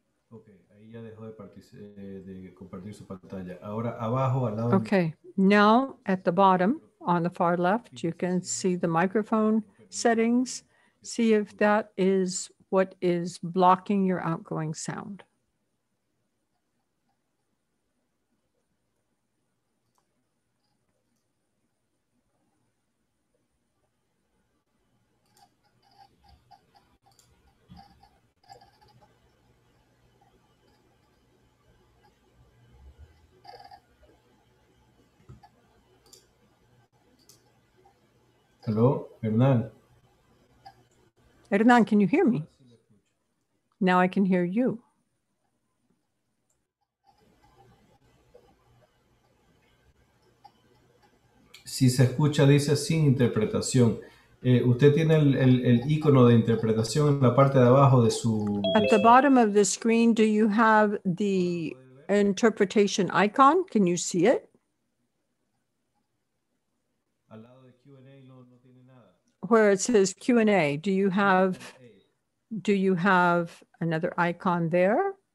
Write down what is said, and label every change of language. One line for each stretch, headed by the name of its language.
Spanish: Okay, ahí ya dejó de compartir su pantalla. Ahora abajo al lado.
English: Okay, now at the bottom, on the far left, you can see the microphone settings. See if that is what is blocking your outgoing sound. Hello, Hernán. Hernán, can you hear me? Now I can hear you.
Spanish: Si se escucha, dice sin interpretación. Usted tiene el icono de interpretación en la parte de abajo de su...
English: At the bottom of the screen, do you have the interpretation icon? Can you see it?
Spanish: Al lado de Q&A no tiene nada.
English: Where it says Q&A, do you have another icon there?